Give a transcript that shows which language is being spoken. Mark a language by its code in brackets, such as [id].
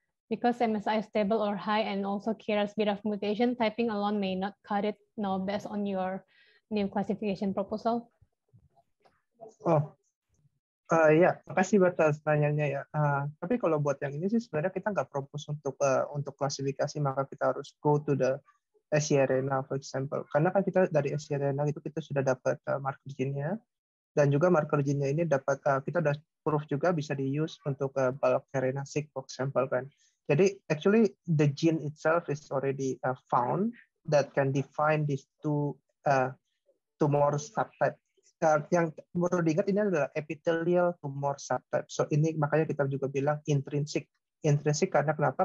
[en] Because MSI is stable or high and also carries a bit of mutation, typing alone may not cut it now based on your new classification proposal. [id] Oh, ya, makasih buat pertanyaannya ya. Tapi kalau buat yang ini sih sebenarnya kita nggak propose untuk klasifikasi, maka kita harus [en] go to the siRNA for example. [id] Karena kan kita dari siRNA itu kita sudah dapat marker gene-nya, dan juga marker gene-nya ini dapat kita sudah proof juga bisa di-use untuk bulk RNA-seq for example kan. Jadi [en] actually the gene itself is already found that can define these two tumor subtype. [id] Yang perlu diingat ini adalah epithelial tumor subtype. So ini makanya kita juga bilang intrinsic. Intrinsic karena kenapa?